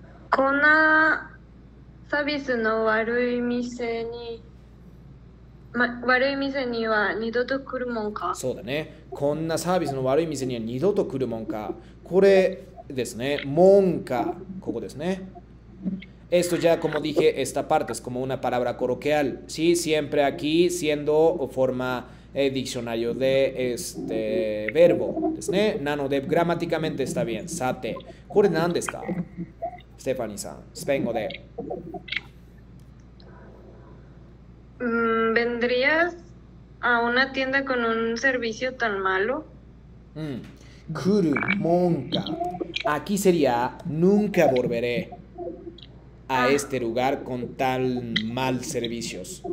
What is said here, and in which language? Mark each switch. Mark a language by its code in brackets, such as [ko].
[ja] Kona サービスの悪い店には二度と来るもんか。そうだね。こんなサービスの悪い店には二度と来るもんか。これですね。もんか。ここですね。 [es] Esto ya, como dije, esta parte es como una palabra coloquial. Sí, siempre aquí siendo forma diccionario de verbo. [ja] ですね。なので、 [es] gramáticamente está bien. [ja] さて、これ何ですか？ステファニーさん、スペイン語で。 [es] ¿Vendrías a una tienda con un servicio tan malo? [ja] Kuru, monka. [es] Aquí sería, nunca volveré a este lugar con tan mal servicios.